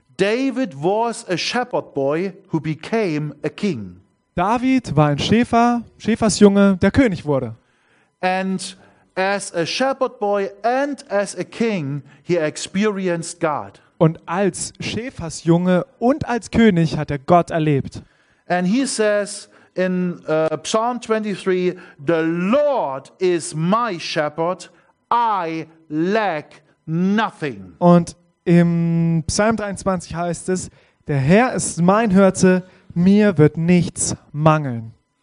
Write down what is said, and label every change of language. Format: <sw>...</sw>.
<en>David was a shepherd boy who became a king.</en> <de>David war ein Schäfer, Schäfersjunge, der König wurde.</de> <en>And as a shepherd boy and as a king, he experienced God.</en> <de>Und als Schäfersjunge und als König hat er Gott erlebt.</de> <en>And he says in Psalm 23, the Lord is my shepherd, I lack nothing.</en> <de>Und im Psalm 23 heißt es, der Herr ist mein Hirte, mir wird nichts mangeln.</de>